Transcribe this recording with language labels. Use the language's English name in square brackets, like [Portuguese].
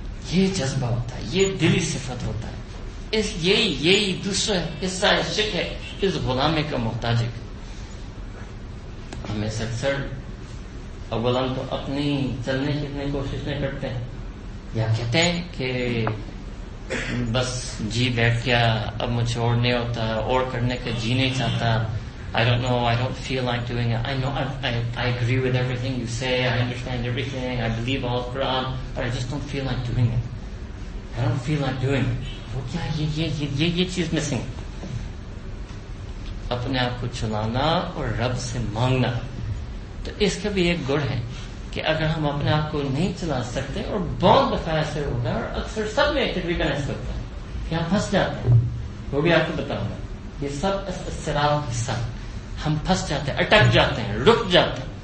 [Urdu] یہ جذبہ ہوتا ہے, یہ دلی صفت ہوتا ہے. اس یہی, یہی دوسرا حصہ عشق ہے, اس غلامی کا محتاج. ہمیں اکثر اول ہم تو اپنی چلنے کی اتنی کوشش نہیں کرتے ہیں, یا کہتے ہیں کہ بس جی بیٹھ گیا اب مجھے اور نہیں ہوتا اور کرنے کا جی نہیں چاہتا. [English] I don't know, I don't feel like doing it. I know, I agree with everything you say, I understand everything, I believe all of Quran, but I just don't feel like doing it. I don't feel like doing it. Yeah, yeah, she's missing. [Urdu] اپنے آپ کو چلانا اور رب سے مانگنا. تو اس کا بھی ایک گڑ ہے کہ اگر ہم اپنے آپ کو نہیں چلا سکتے, اور بہت دفعہ ایسے ہوگا اور اکثر سب میں تقریباً ایسے ہوتا ہے کہ ہم پھنس جاتے ہیں, وہ بھی آپ کو بتاؤں گا, یہ سب استراب کے ساتھ ہم پھنس جاتے ہیں, اٹک جاتے ہیں, رک جاتے ہیں.